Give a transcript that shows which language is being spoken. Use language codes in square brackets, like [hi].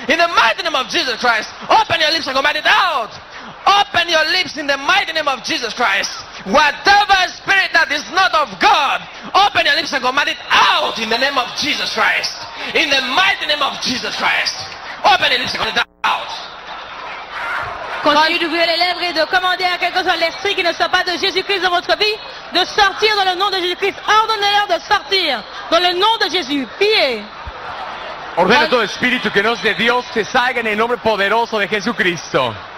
[en] In the mighty name of Jesus Christ, open your lips and command it out. Open your lips in the mighty name of Jesus Christ. Whatever spirit that is not of God, open your lips and command it out in the name of Jesus Christ. In the mighty name of Jesus Christ, open your lips and command it out. [fr] Continue d'ouvrir les lèvres et de commander à quelque chose l'esprit qui ne soit pas de Jésus-Christ dans votre vie de sortir dans le nom de Jésus-Christ. Ordonnez-leur de sortir dans le nom de Jésus. Priez. [es] Ordena todo espíritu que no es de Dios que salga en el nombre poderoso de Jesucristo.